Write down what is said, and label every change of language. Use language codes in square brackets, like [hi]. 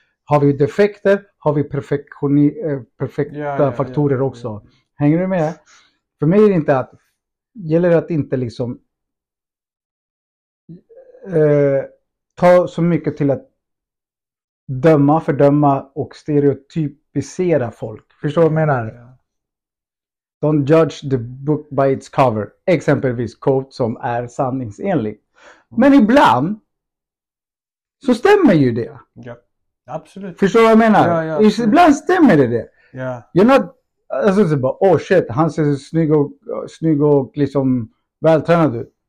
[sv] Har vi defekter, har vi perfekta faktorer också. Hänger du med? För mig är det inte att gäller att inte liksom ta så mycket till att döma, fördöma och stereotypisera folk. Förstår vad jag menar? [en] Yeah. Don't judge the book by its cover. [sv] Exempelvis quote som är sanningsenlig. Mm. Men ibland så stämmer ju det. [en] Yeah. [sv] Absolut. Förstår vad jag menar? [en] Yeah, yeah, [sv] ibland stämmer det. [en] Yeah. You're not, [sv] alltså så bara, [en] oh shit, [sv] han ser snygg och liksom vältränad ut.